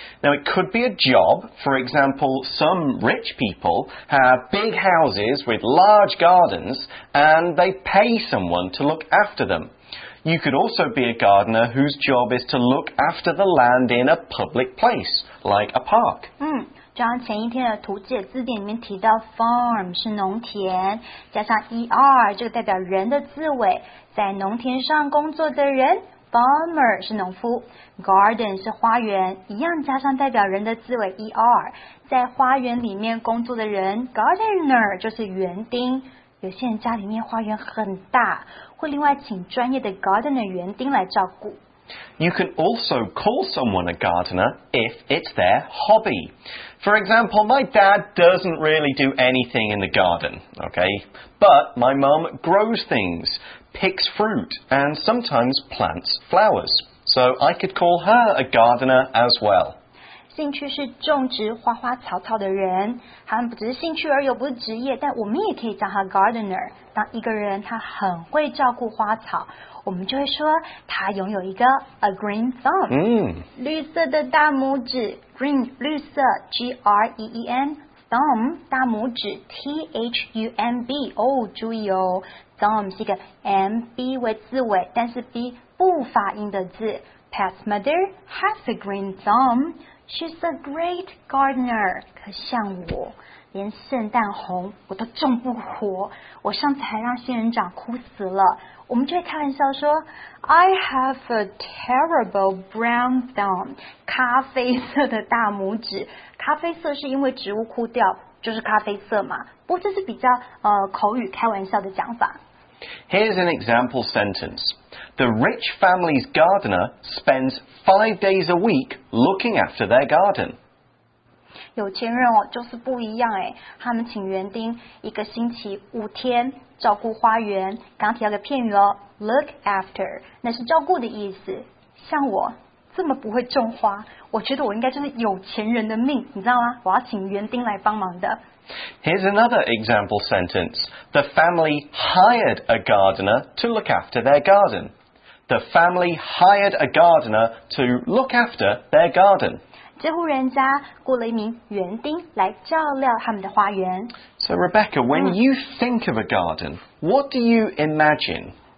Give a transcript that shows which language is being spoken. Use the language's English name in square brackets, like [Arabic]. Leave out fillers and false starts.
[English] Now, it could be a job. For example, some rich people have big houses with large gardens and they pay someone to look after them. You could also be a gardener whose job is to look after the land in a public place, like a park. [Chinese] 就像前一天的图解字典里面提到 farm 是农田，加上 er 就代表人的字尾，在农田上工作的人Farmer 是农夫 ，Garden 是花园，一样加上代表人的字尾 er， 在花园里面工作的人 ，Gardener 就是园丁。有些人家里面花园很大，会另外请专业的 Gardener 园丁来照顾。 [English] You can also call someone a gardener if it's their hobby. For example, my dad doesn't really do anything in the garden, okay? But my mum grows things. Picks fruit and sometimes plants flowers. So I could call her a gardener as well. [Chinese] 兴趣是种植花花草草的人，他们不只是兴趣而又不是职业，但我们也可以叫他 gardener。当一个人他很会照顾花草，我们就会说他拥有一个 [English] a green thumb， [Chinese] 绿色的大拇指 green 绿色 G R E E N thumb 大拇指 T H U M B 哦，注意哦。 Thumb 是一个 M-B 为字尾，但是 B 不发音的字。 [English] Pat's mother has a green thumb. She's a great gardener. [Chinese] 可像我，连圣诞红我都种不活，我上次还让仙人掌哭死了。我们就会开玩笑说 [English] I have a terrible brown thumb， [Chinese] 咖啡色的大拇指。咖啡色是因为植物枯掉就是咖啡色嘛，不过这是比较口语开玩笑的讲法。 [English] Here's an example sentence. The rich family's gardener spends 5 days a week looking after their garden. [Chinese] 有钱人哦，就是不一样哎。他们请园丁一个星期5天照顾花园。刚提到个片语哦 ，look after， 那是照顾的意思。像我这么不会种花，我觉得我应该就是有钱人的命，你知道吗？我要请园丁来帮忙的。 [English] Here's another example sentence. The family hired a gardener to look after their garden. The family hired a gardener to look after their garden. [Chinese] 这户人家雇了一名园丁来照料他们的花园。 [English] So Rebecca, when you think of a garden, what do you imagine?